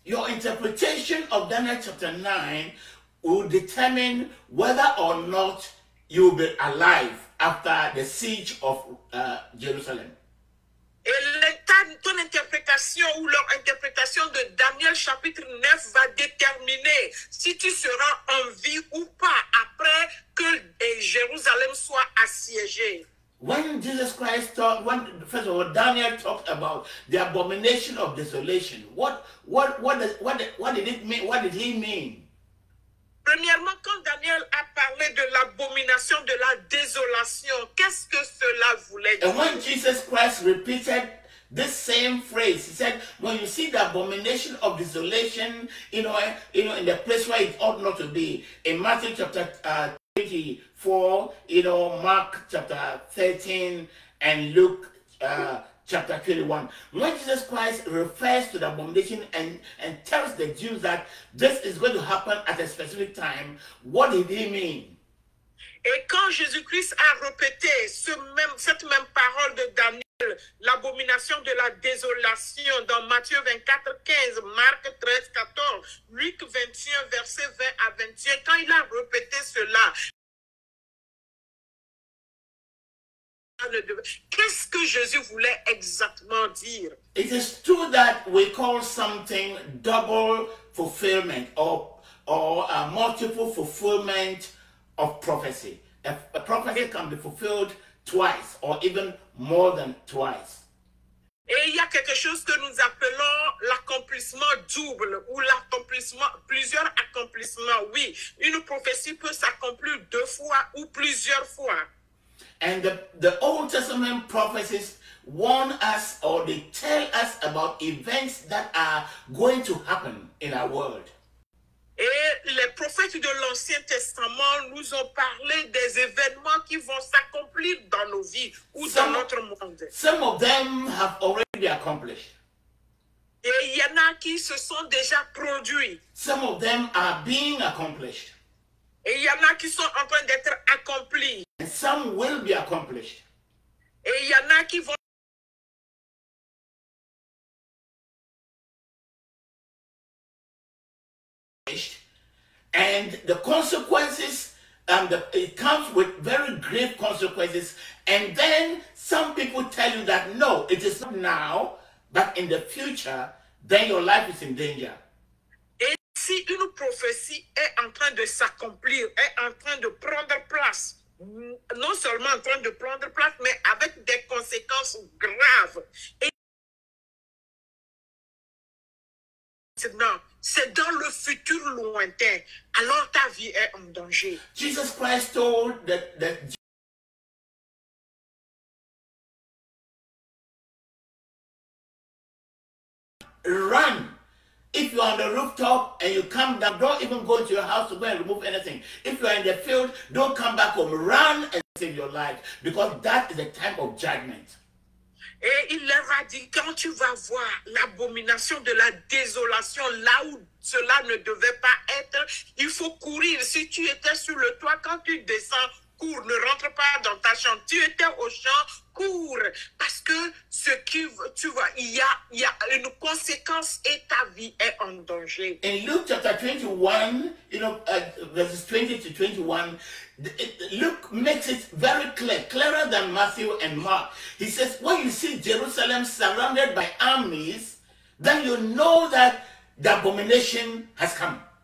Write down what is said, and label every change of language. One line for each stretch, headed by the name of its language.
English: Your interpretation of Daniel chapter 9 will determine whether or not you will be alive after the siege of Jerusalem.
French: Et ton interprétation ou leur interprétation de Daniel chapitre 9 va déterminer si tu seras en vie ou pas après que Jérusalem soit assiégée.
English: When Jesus Christ talked, when first of all Daniel talked about the abomination of desolation, what did he mean?
French: Premièrement, quand Daniel a parlé de l'abomination de la désolation, qu'est-ce que cela voulait dire?
English: And when Jesus Christ repeated this same phrase, he said, when you see the abomination of desolation, you know, in the place where it ought not to be, in Matthew chapter 24, you know, Mark chapter 13, and Luke chapter 21. When Jesus Christ refers to the abomination and tells the Jews that this is going to happen at a specific time, what did he mean?
French: Et quand Jésus-Christ a répété cette même parole de Daniel, l'abomination de la désolation dans Matthieu 24, 15, Marc 13, 14, Luc 21, verset 20 à 21, quand il a répété cela, qu'est-ce que Jésus voulait exactement dire?
English: It is true that we call something double fulfillment or a multiple fulfillment of prophecy. A prophecy can be fulfilled twice or even more than twice.
French: Et il y a quelque chose que nous appelons l'accomplissement double ou l'accomplissement, plusieurs accomplissements. Oui, une prophétie peut s'accomplir deux fois ou plusieurs fois.
English: And the Old Testament prophecies warn us or they tell us about events that are going to happen in our world.
French: Et les prophètes de l'Ancien Testament nous ont parlé des événements qui vont s'accomplir dans nos vies ou dans notre monde.
English: Some of them have already been accomplished.
French: Et il y en a qui se sont déjà produits.
English: Some of them are being accomplished.
French: Et il y en a qui sont en train d'être accomplis.
English: And some will be accomplished.
French: Et il y en a qui vont
English: and the consequences and it comes with very grave consequences, and then some people tell you that no, it is not now but in the future, then your life is in danger.
French: Et si une prophétie est en train de s'accomplir, est en train de prendre place, non seulement en train de prendre place, mais avec des conséquences graves. Maintenant, c'est dans le futur lointain, alors ta vie est en danger.
English: Jesus Christ told that run. If you are on the rooftop and you come down, don't even go to your house to go and remove anything. If you are in the field, don't come back home. Run and save your life, because that is a time of judgment.
French: Et il leur a dit, quand tu vas voir l'abomination de la désolation là où cela ne devait pas être, il faut courir. Si tu étais sur le toit, quand tu descends, cours, ne rentre pas dans ta chambre. Tu étais au champ, cours. Parce que ce qui, tu vois, il y a une conséquence et ta vie est en danger.
English: In Luke chapter 21, you know, verses 20 to 21, Luke makes it very clear, clearer than Matthew and Mark. He says, when you see Jerusalem surrounded by armies, then you know that the abomination has come.